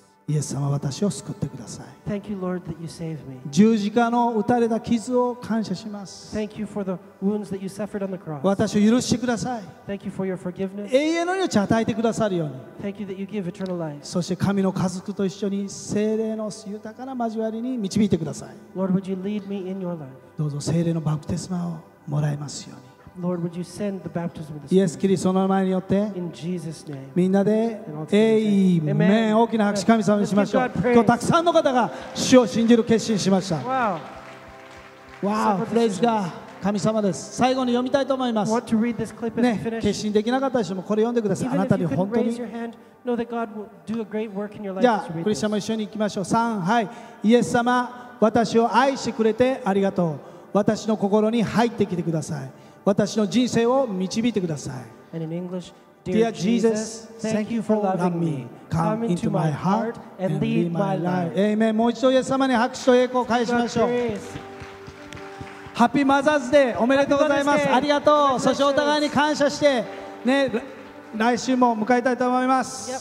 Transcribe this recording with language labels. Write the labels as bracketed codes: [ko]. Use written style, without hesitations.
[ja] イエス様、私を救ってください。 [en] Thank you, Lord, that you saved me. [ja] 十字架の打たれた傷を感謝します。 [en] Thank you for the wounds that you suffered on the cross. [ja] 私を許してください。 [en] Thank you for your forgiveness. [ja] 永遠の命を与えてくださるように。 [en] Thank you that you give eternal life. [ja] そして神の家族と一緒に聖霊の豊かな交わりに導いてください。 [en] Lord, would you lead me in your life? [ja] どうぞ聖霊のバプテスマをもらえますように。 [en] Lord, would you send the baptism of the [ja] Spirit? イエス・キリストの名前によって、 [en] in Jesus name. [ja] みんなで、エイメン。大きな拍手、神様にしましょう。今日たくさんの方が主を信じる決心しました。わあ、プレイスが神様です。最後に読みたいと思います。 [en] Want to read this clip [ja] ね、決心できなかった人もこれ読んでください。 Even、あなたに本当に。 Hand, じゃあ、クリスチャンも一緒に行きましょう。3、はい。イエス様、私を愛してくれてありがとう。私の心に入ってきてください。私の人生を導いてください。 [en] And in English, Dear Jesus, thank you for loving me. Come into my heart and lead my life. Amen. [ja] もう一度イエス様に拍手と栄光を返しましょう。ハッピーマザーズデー、おめでとうございます。ありがとう。そしてお互いに感謝して、ね、来週も迎えたいと思います。